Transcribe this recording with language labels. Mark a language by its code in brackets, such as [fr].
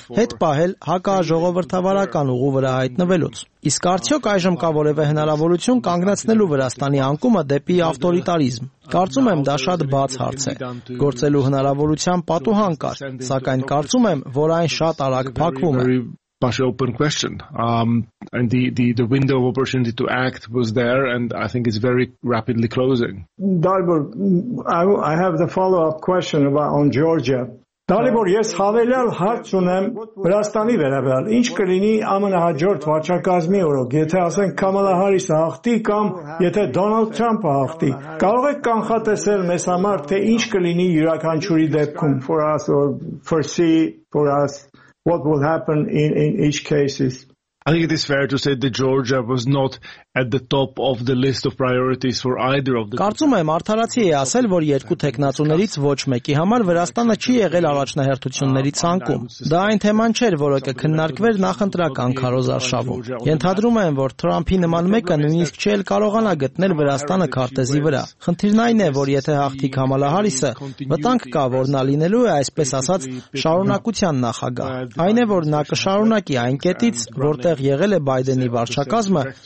[hy] հետ պահել ՀԿԱ ժողովրդավարական ուղու վրա հայտնվելուց։ Իսկ արդյոք այժմ կա որևէ հնարավորություն կանգնացնելու Վրաստանի անկումը դեպի ավտորիտարիզմ։ Կարծում եմ, դա շատ բաց հարց է։ Գործելու հնարավորության պատուհան կա, սակայն կարծում եմ, որ այն շատ արագ փակվում է։ [en] But open question. And the window of opportunity to act was there, and I think it's very rapidly closing. Dalibor, I have the follow-up question about on Georgia. [hy] Դալիբոր, ես հավելյալ հարց ունեմ Վրաստանի վերաբերյալ։ Ինչ կլինի ԱՄՆ հաջորդ վարչակազմի օրոք, եթե ասենք Քամալա Հարիսը հաղթի կամ եթե Դոնալդ Թրամփը հաղթի։ Կարող եք կանխատեսել մեզ համար, թե ինչ կլինի յուրաքանչյուրի դեպքում? [en] For us or foresee for us what will happen in each cases? I think it is fair to say that Georgia was not at the top of the list of priorities for either of the [hy] Կարծում եմ արդարացի է ասել, որ երկու տեխնացուներից ոչ մեկի համար Վրաստանը չի եղել առաջնահերթությունների ցանկում։ Դա այն թեման չէր, որը կքննարկվեր նախընտրական քարոզարշավում։ Ենթադրում եմ, որ Թրամփի նման մեկը նույնիսկ չէլ կարողանա գտնել Վրաստանը քարտեզի վրա։ Խնդիրն այն է, որ եթե հաղթի Կամալա Հարիսը, վտանգ կա, որ նա լինելու է, այսպես ասած, շարունակության նախագահ։ Այն է, որ նա կշարունակի այն կետից, որտեղ եղել է Բայդենի վարչակազմը,